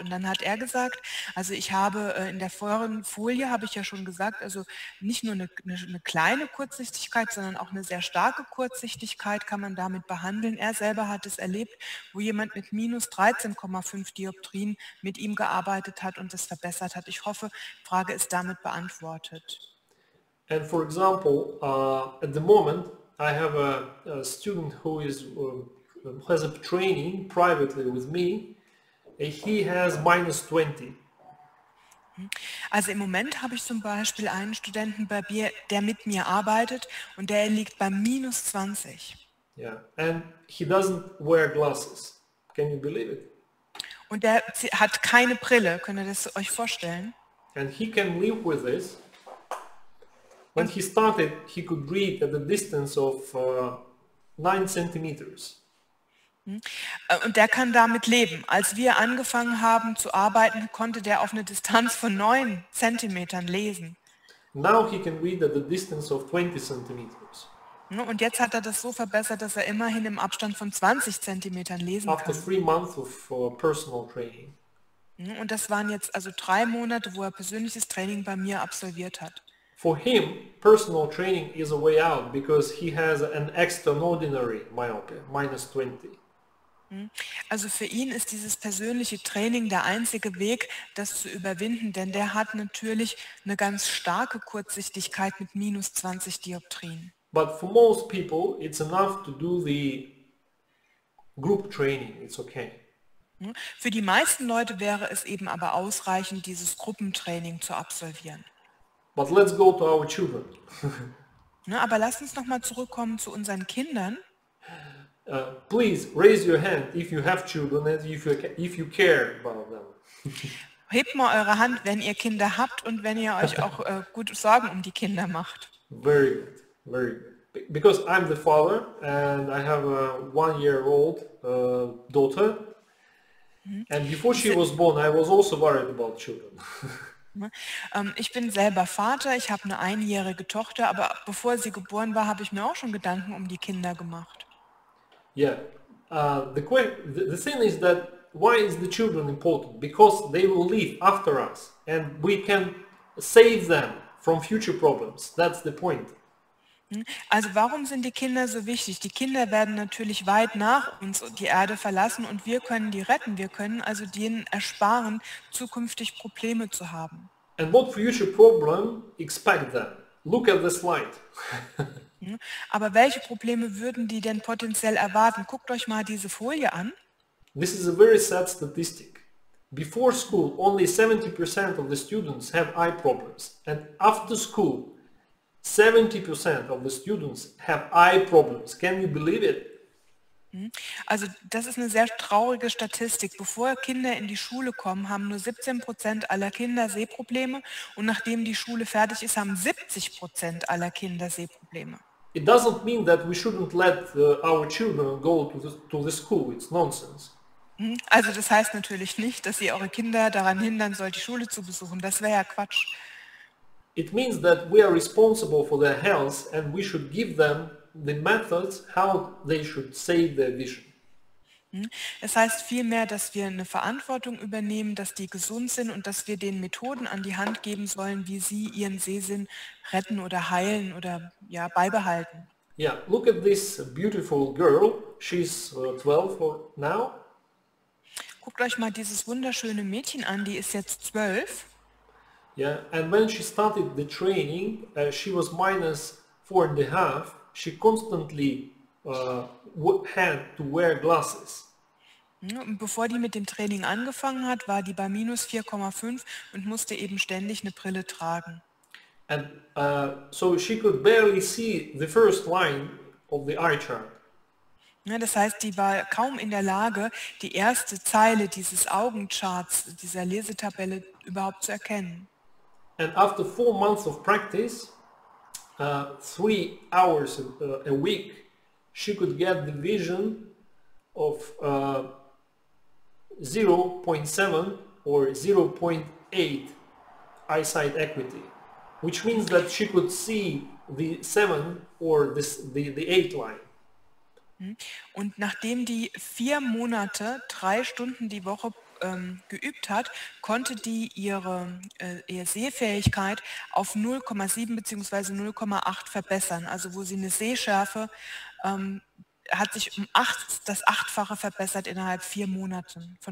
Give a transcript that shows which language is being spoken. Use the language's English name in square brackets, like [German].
[German] Und dann hat er gesagt, also ich habe in der vorherigen Folie, habe ich ja schon gesagt, also nicht nur eine kleine Kurzsichtigkeit, sondern auch eine sehr starke Kurzsichtigkeit kann man damit behandeln. Er selber hat es erlebt, wo jemand mit -13.5 Dioptrien mit ihm gearbeitet hat und es verbessert hat. Ich hoffe, die Frage ist damit beantwortet. [English] And for example, at the moment, I have a student who is has a training privately with me, and he has -20. [German] Also im Moment habe ich zum Beispiel einen Studenten bei mir, der mit mir arbeitet, und der liegt bei -20. [English] Yeah, and he doesn't wear glasses. Can you believe it? [German] Und der hat keine Brille, könnt ihr das euch vorstellen? [English] And he can live with this. When he started, he could read at a distance of 9 centimeters. [German] Und der kann damit leben. Als wir angefangen haben zu arbeiten, konnte der auf eine Distanz von 9 Zentimetern lesen. [English] Now he can read at a distance of 20 centimeters. [German] Und jetzt hat er das so verbessert, dass er immerhin im Abstand von 20 Zentimetern lesen kann. [English] After 3 months of personal training. [German] Und das waren jetzt also 3 Monate, wo er persönliches Training bei mir absolviert hat. [English] For him, personal training is a way out because he has an extraordinary myopia, -20. [German] Also für ihn ist dieses persönliche Training der einzige Weg, das zu überwinden, denn der hat natürlich eine ganz starke Kurzsichtigkeit mit -20 Dioptrien. [English] But for most people, it's enough to do the group training, it's okay. [German] Für die meisten Leute wäre es eben aber ausreichend, dieses Gruppentraining zu absolvieren. [English] But let's go to our children. [German] Na, aber lass uns noch mal zurückkommen zu unseren Kindern. [English] Please raise your hand if you have children and if you care about them. [German] Hebt mal eure Hand, wenn ihr Kinder habt und wenn ihr euch auch gut Sorgen um die Kinder macht. [English] Very good, very good. Because I'm the father and I have a 1-year-old daughter. And before she was born, I was also worried about children. [German] Ich bin selber Vater, ich habe eine 1-jährige Tochter, aber bevor sie geboren war, habe ich mir auch schon Gedanken um die Kinder gemacht. [English] Yeah, the thing is that why is the children important? Because they will live after us and we can save them from future problems. That's the point. [German] Also warum sind die Kinder so wichtig? Die Kinder werden natürlich weit nach uns die Erde verlassen und wir können die retten. Wir können also denen ersparen, zukünftig Probleme zu haben. [English] And what future problem expect them? Look at the slide. [German] Aber welche Probleme würden die denn potenziell erwarten? Guckt euch mal diese Folie an. [English] This is a very sad statistic. Before school only 70% of the students have eye problems. And after school 70% of the students have eye problems. Can you believe it? [German] Also das ist eine sehr traurige Statistik. Bevor Kinder in die Schule kommen, haben nur 17% aller Kinder Sehprobleme und nachdem die Schule fertig ist, haben 70% aller Kinder Sehprobleme. [English] It doesn't mean that we shouldn't let our children go to the school. It's nonsense. [German] Also das heißt natürlich nicht, dass ihr eure Kinder daran hindern sollt, die Schule zu besuchen. Das wäre ja Quatsch. [English] It means that we are responsible for their health and we should give them the methods how they should save their vision. [German] Es heißt vielmehr, dass wir eine Verantwortung übernehmen, dass die gesund sind und dass wir denen Methoden an die Hand geben sollen, wie sie ihren Sehsinn retten oder heilen oder ja, beibehalten. [English] Yeah, look at this beautiful girl. She's 12 now. [German] Guckt euch mal dieses wunderschöne Mädchen an, die ist jetzt 12. [English] Yeah, and when she started the training, she was minus 4.5. She constantly had to wear glasses. [German] Bevor die mit dem Training angefangen hat, war die bei minus 4,5 und musste eben ständig eine Brille tragen. [English] And so she could barely see the first line of the eye chart. [German] Ja, das heißt, die war kaum in der Lage, die erste Zeile dieses Augencharts, dieser Lesetabelle überhaupt zu erkennen. [English] And after 4 months of practice, 3 hours a week, she could get the vision of 0.7 or 0.8 eyesight acuity, which means that she could see the 7 or the 8 line. [German] Und nachdem die 4 Monate 3 Stunden die Woche geübt hat, konnte die ihre Sehfähigkeit auf 0,7 bzw. 0,8 verbessern. Also wo sie eine Sehschärfe hat sich das Achtfache verbessert innerhalb von vier Monaten.